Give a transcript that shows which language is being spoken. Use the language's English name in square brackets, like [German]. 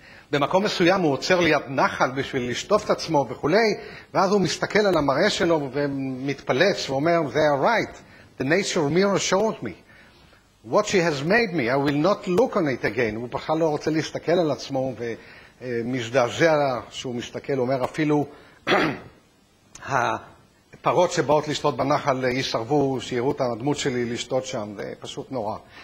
[Hebrew] במקום מסוים הוא עוצר ליד נחל בשביל לשטוף את עצמו וכולי, ואז הוא מסתכל על המראה שלו ומתפלץ ואומר, [English] they are right, the nature mirror showed me. What she has made me, I will not look on it again. [Hebrew] הוא בכלל לא רוצה להסתכל על עצמו ומזדעזע שהוא מסתכל, אומר, אפילו הפרות שבאות לשטות בנחל יסרבו, שיראו את הדמות שלי לשטות שם, זה פשוט נורא.